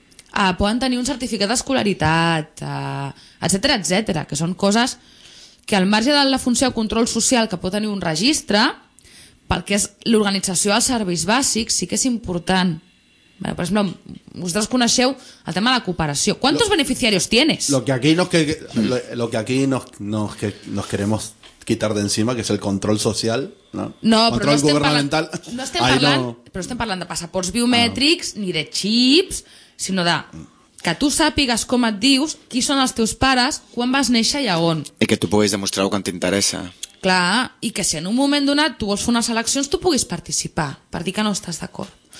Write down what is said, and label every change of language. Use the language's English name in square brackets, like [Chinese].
[Catalan] Poden tenir un certificat d'escolaritat, etcètera, etcètera, que són coses que al marge de la funció de control social que pot tenir un registre, pel que és l'organització dels serveis bàsics, sí que és important. Bueno, per exemple, vosaltres coneixeu el tema de la cooperació. [Spanish] ¿Cuántos beneficiarios tienes? Lo que aquí nos queremos quitar de encima, que es el control social, ¿no? [Catalan] No, control però no governamental. Però estem parlant de passaports biomètrics, ni de xips, sinó de que tu sàpigues com et dius, qui són els teus pares, quan vas néixer i a on. I que tu puguis demostrar quan t'interessa. Clar, i que si en un moment donat tu vols fer unes eleccions, tu puguis participar, per dir que no estàs d'acord.